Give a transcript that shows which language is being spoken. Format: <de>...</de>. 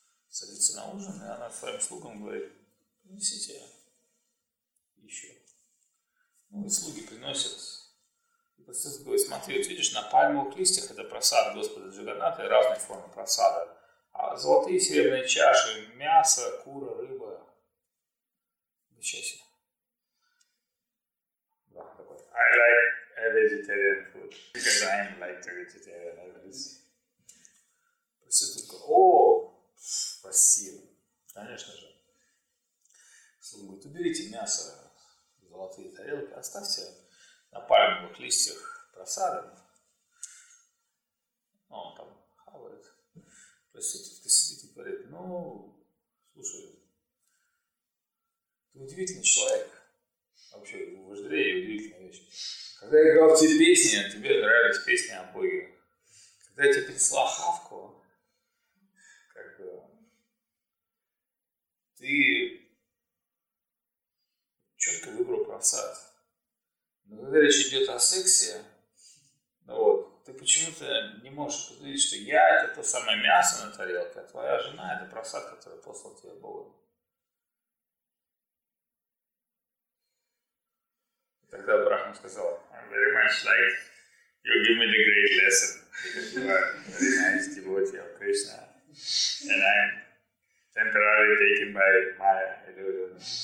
<ru>Садится на ужин, и она своим слугам говорит, принесите еще. Ну и слуги приносят, Смотри, вот видишь, на пальмовых листьях это просад Господа Джаганнатха, разные формы просада. А золотые и серебряные чаши, мясо, кура, рыба. Счастье. Да, такой.</ru> <en>I like a vegetarian food. Because I like a vegetarian food.</en> <ru>Проститутка. Ооо, спасибо. Конечно же. Слуга говорит, уберите мясо, золотые тарелки, оставьте на пальмовых листьях просады. Ну, он там хавает. Проститутка сидит и говорит, слушай, ты удивительный человек. Вообще, вождрей и удивительная вещь. Когда я играл в тебе песни, тебе нравились песни о боге. Когда я тебе принесла хавку, ты четко выбрал просад. Но когда речь идет о сексе, ты почему-то не можешь подтвердить, что я это то самое мясо на тарелке, а твоя жена это просад, который послал тебе Богу. Тогда Брахма сказал,</ru> <en>I'm very much like you give me the great lesson. Because you are very nice devotee of Krishna. And I'm temporarily taken by Maya illusion.</en>